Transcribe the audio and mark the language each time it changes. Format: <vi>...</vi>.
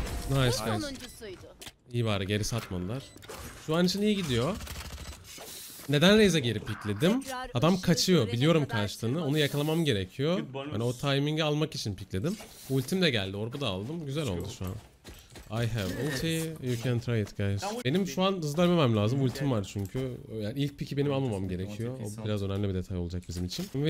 <en>Nice guys.</en> <tr>İyi bari geri satmadılar. Şu an için iyi gidiyor. Neden Raze'e geri pikledim? Adam kaçıyor, biliyorum kaçtığını. Onu yakalamam gerekiyor. Hani o timing'i almak için pikledim. Ultim de geldi, orbu da aldım. Güzel oldu şu an.</tr> <en>I have ulti, you can try it guys.</en> <tr>Benim şu an hızlı dönmemem lazım, ultim var çünkü. Yani ilk pick'i benim almamam gerekiyor. O biraz önemli bir detay olacak bizim için.</tr>